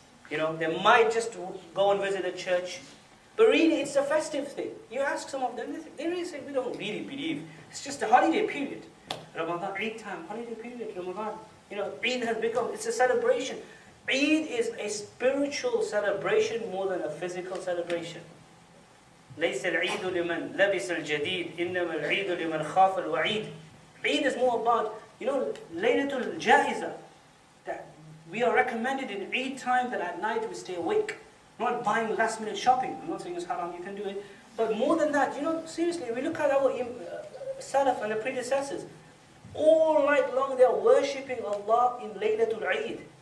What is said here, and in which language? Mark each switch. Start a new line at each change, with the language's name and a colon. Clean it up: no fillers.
English: You know, they might just go and visit a church. But really, it's a festive thing. You ask some of them, they really say, we don't really believe. It's just a holiday period. Ramadan, Eid time, holiday period, Ramadan. You know, Eid has become, it's a celebration. Eid is a spiritual celebration more than a physical celebration.
Arabic: ليس العيد لمن لبس الجديد إنما العيد لمن خاف الوعيد.
English: Eid is more about, you know, Laylatul Jaiza, that we are recommended in Eid time that at night we stay awake, not buying last minute shopping. I'm not saying it's haram, you can do it. But more than that, you know, seriously, we look at our Salaf and the predecessors, all night long they are worshipping Allah in Laylatul Eid.